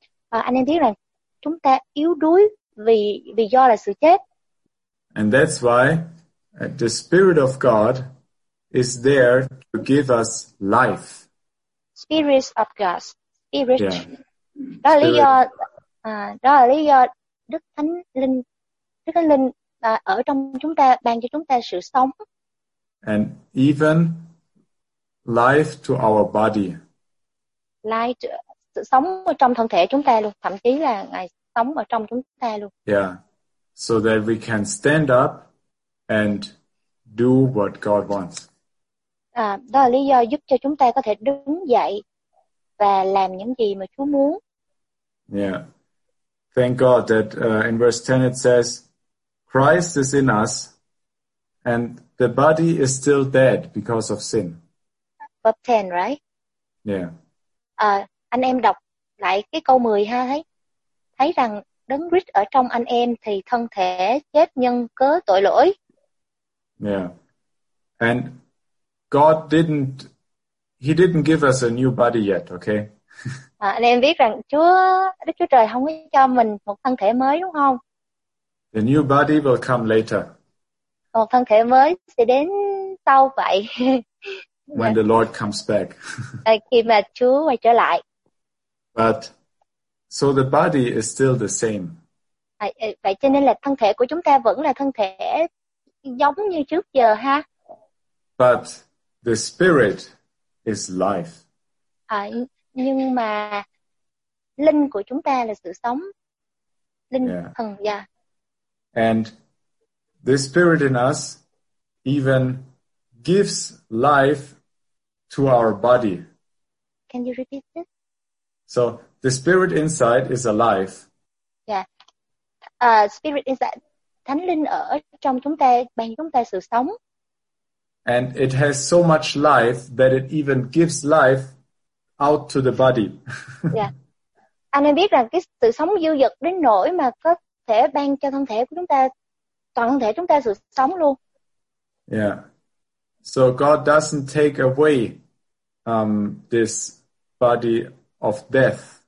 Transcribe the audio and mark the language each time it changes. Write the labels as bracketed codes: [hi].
[vi] Anh em biết rằng chúng ta yếu đuối vì do là sự chết. [en] And that's why the Spirit of God is there to give us life. Spirit of God. Spirit. Yeah. [vi] Đó là lý do Đức Thánh Linh ở trong chúng ta ban cho chúng ta sự sống. [en] And even life to our body. [vi] Life, sống ở trong thân thể chúng ta luôn, thậm chí là Ngài sống ở trong chúng ta luôn. Yeah. [en] So that we can stand up and do what God wants. [vi] Đó là lý do giúp cho chúng ta có thể đứng dậy và làm những gì mà Chúa muốn. Yeah. [en] Thank God that in verse 10 it says, Christ is in us and the body is still dead because of sin. Verse 10, right? Yeah. [vi] Anh em đọc lại cái câu 10 ha, thấy rằng Đấng Christ ở trong anh em thì thân thể chết nhân cớ tội lỗi. [en] Yeah. And God didn't, He didn't give us a new body yet, okay? [vi] Anh em biết rằng Đức Chúa Trời không có cho mình một thân thể mới đúng không? [en] The new body will come later. [vi] Một thân thể mới sẽ đến sau vậy. [en] When the Lord comes back. [vi] Khi mà Chúa quay trở lại. [en] But so the body is still the same. [vi] Vậy cho nên là thân thể của chúng ta vẫn là thân thể giống như trước giờ ha. [en] But the spirit is life. [vi] Nhưng mà linh của chúng ta là sự sống. Linh thần, yeah. [en] And this spirit in us even gives life to our body. Can you repeat this? So the spirit inside is alive. Yeah. Spirit inside. [vi] Thánh linh ở trong chúng ta, ban chúng ta sự sống. [en] And it has so much life that it even gives life out to the body. Yeah. [vi] Anh em biết rằng cái sự sống dư dật đến nỗi mà có thể ban cho thân thể của chúng ta, toàn thân thể chúng ta sự sống luôn. Yeah. [en] So God doesn't take away this body of death.